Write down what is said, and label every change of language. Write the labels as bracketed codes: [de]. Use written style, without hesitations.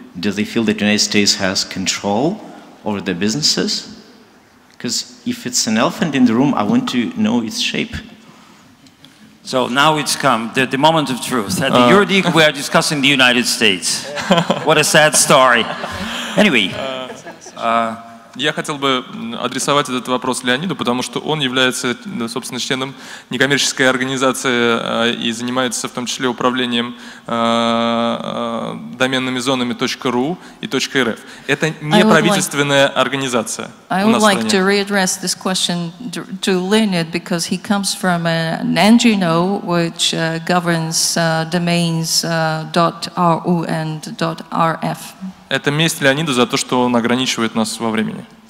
[en] Do they feel that the United States has control over their businesses? Because if it's an elephant in the room, I want to know its shape. So now it's come, the moment of truth. At the EuroDIG, we are discussing the United States. What a sad story. Anyway. [ru] Я хотел бы адресовать этот вопрос Леониду, потому что он является, собственно, членом некоммерческой организации и занимается в том числе управлением доменными зонами .ru и .rf. Это не правительственная организация. [en] I would like to readdress this question to Leonid because he comes from an NGO which governs domains .ru and .rf. [ru] Это месть Леониду за то, что он ограничивает нас во времени.